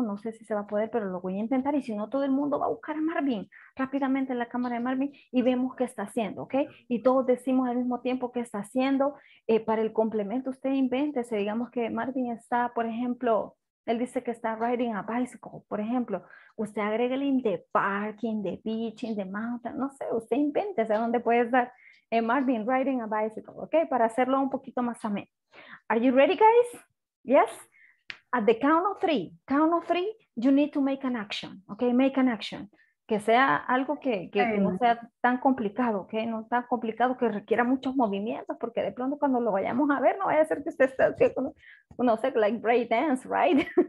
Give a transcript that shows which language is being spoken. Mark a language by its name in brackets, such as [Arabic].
[Spanish] No sé si se va a poder, pero lo voy a intentar. Y si no, todo el mundo va a buscar a Marvin rápidamente en la cámara de Marvin y vemos qué está haciendo, ¿ok? Y todos decimos al mismo tiempo qué está haciendo. Para el complemento, usted invéntese. Digamos que Marvin está, por ejemplo, él dice que está [English] riding a bicycle, [Spanish] por ejemplo. Usted agréguele [English] in the park, in the beach, in the mountain. [Spanish] No sé, usted invéntese a dónde puede estar. [English] Marvin riding a bicycle, ¿ok? [Spanish] Para hacerlo un poquito más ameno. [English] Are you ready, guys? Yes? At the count of three, you need to make an action, ¿ok? Make an action. [Spanish] Que sea algo que no sea tan complicado, que no tan complicado, que requiera muchos movimientos, porque de pronto cuando lo vayamos a ver, no vaya a ser que usted esté haciendo, no sé, [English] like break dance, right?